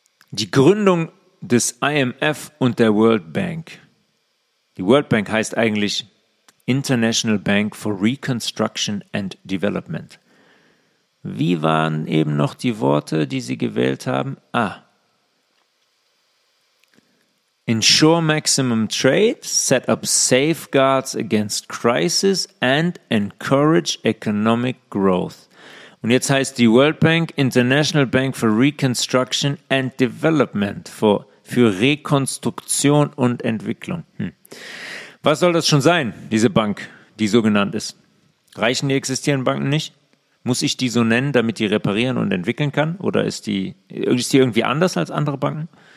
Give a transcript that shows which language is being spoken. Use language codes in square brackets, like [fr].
[de] Die Gründung des IMF und der World Bank. Die World Bank heißt eigentlich International Bank for Reconstruction and Development. Wie waren eben noch die Worte, die sie gewählt haben? [en] Ensure maximum trade, set up safeguards against crisis and encourage economic growth. [de] Und jetzt heißt die World Bank International Bank for Reconstruction and Development, für Rekonstruktion und Entwicklung. Was soll das schon sein, diese Bank, die so genannt ist? Reichen die existierenden Banken nicht? Muss ich die so nennen, damit die reparieren und entwickeln kann? Oder ist die irgendwie anders als andere Banken?